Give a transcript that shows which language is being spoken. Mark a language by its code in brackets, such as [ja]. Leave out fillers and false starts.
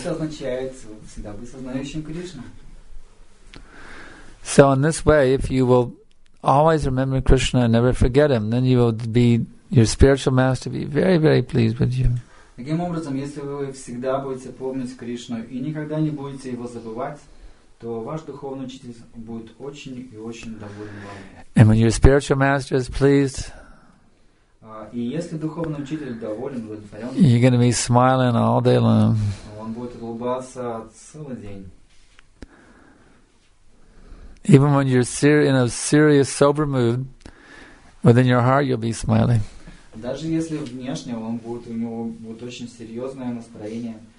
[ru] Это означает всегда быть сознающим Кришна. [en] So in this way, if you will always remember Krishna and never forget him, then you will be your spiritual master will be very, very pleased with you. [ru] Таким образом, если вы всегда будете помнить Кришну и никогда не будете его забывать, то ваш духовный учитель будет очень и очень доволен вами. [en] And when your spiritual master is pleased. [ru] И если духовный учитель доволен, удовлетворен, [en] you're going to be smiling all day long. [ru] Он будет улыбаться целый день. [en] Even when you're in a serious, sober mood, within your heart you'll be smiling. [ru] Даже если внешне у него будет очень серьезное настроение.